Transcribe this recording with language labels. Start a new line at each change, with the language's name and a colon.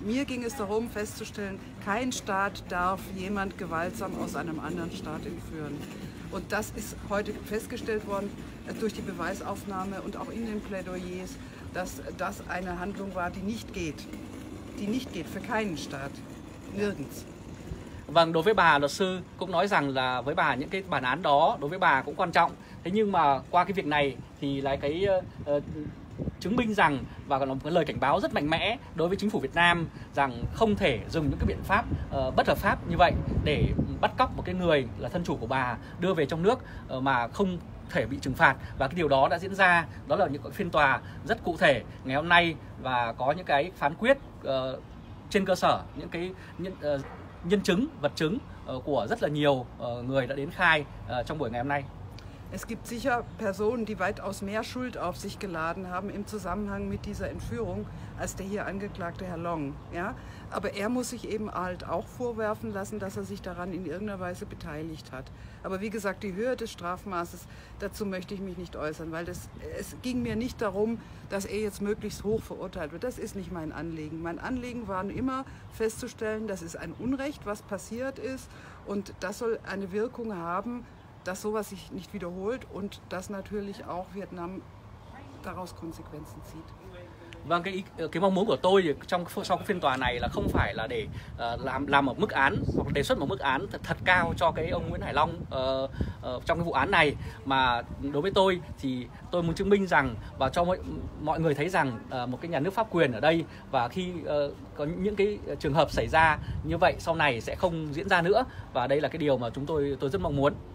German: Mir ging es darum festzustellen, kein Staat darf jemand gewaltsam aus einem anderen Staat entführen. Und das ist heute festgestellt worden durch die Beweisaufnahme und auch in den Plädoyers, dass das eine Handlung war, die nicht geht. Die nicht geht für keinen Staat. Nirgends.
Vietnamese: Vâng, đối với bà, luật sư cũng nói rằng là với bà những cái bản án đó đối với bà cũng quan trọng. Thế nhưng mà qua cái việc này thì lại cái chứng minh rằng, và còn là một lời cảnh báo rất mạnh mẽ đối với chính phủ Việt Nam rằng không thể dùng những cái biện pháp bất hợp pháp như vậy để bắt cóc một cái người là thân chủ của bà đưa về trong nước mà không thể bị trừng phạt. Và cái điều đó đã diễn ra, đó là những cái phiên tòa rất cụ thể ngày hôm nay, và có những cái phán quyết trên cơ sở những cái nhân chứng, vật chứng của rất là nhiều người đã đến khai trong buổi ngày hôm nay.
German: Es gibt sicher Personen, die weitaus mehr Schuld auf sich geladen haben im Zusammenhang mit dieser Entführung als der hier angeklagte Herr Long. Ja? Aber er muss sich eben halt auch vorwerfen lassen, dass er sich daran in irgendeiner Weise beteiligt hat. Aber wie gesagt, die Höhe des Strafmaßes, dazu möchte ich mich nicht äußern, weil es ging mir nicht darum, dass er jetzt möglichst hoch verurteilt wird. Das ist nicht mein Anliegen. Mein Anliegen war immer festzustellen, das ist ein Unrecht, was passiert ist, und das soll eine Wirkung haben, dass sowas sich nicht wiederholt und dass natürlich auch Vietnam daraus Konsequenzen zieht.
Vietnamese: Vâng, cái mong muốn của tôi trong sau cái phiên tòa này là không phải là để làm một mức án hoặc đề xuất một mức án thật cao cho cái ông Nguyễn Hải Long trong cái vụ án này, mà đối với tôi thì tôi muốn chứng minh rằng và cho mọi người thấy rằng một cái nhà nước pháp quyền ở đây, và khi có những cái trường hợp xảy ra như vậy sau này sẽ không diễn ra nữa, và đây là cái điều mà chúng tôi rất mong muốn.